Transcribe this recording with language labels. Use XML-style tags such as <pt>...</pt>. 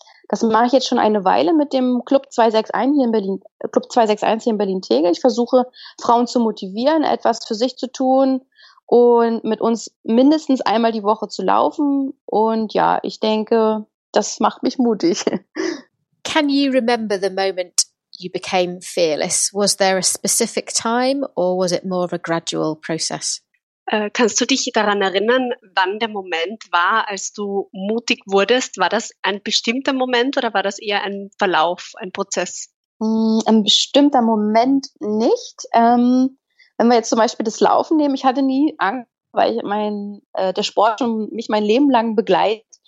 <de>Das mache ich jetzt schon eine Weile mit dem Club 261 hier in Berlin-Tegel. Ich versuche, Frauen zu motivieren, etwas für sich zu tun und mit uns mindestens einmal die Woche zu laufen. Und ja, ich denke, das macht mich mutig.</de> <en>Can you remember the moment you became fearless? Was there a specific time or was it more of a gradual process?</en> <de>Kannst du dich daran erinnern, wann der Moment war, als du mutig wurdest? War das ein bestimmter Moment oder war das eher ein Verlauf, ein Prozess? Ein bestimmter Moment nicht. Wenn wir jetzt zum Beispiel das Laufen nehmen, ich hatte nie Angst, weil der Sport schon mich mein Leben lang begleitet.</de>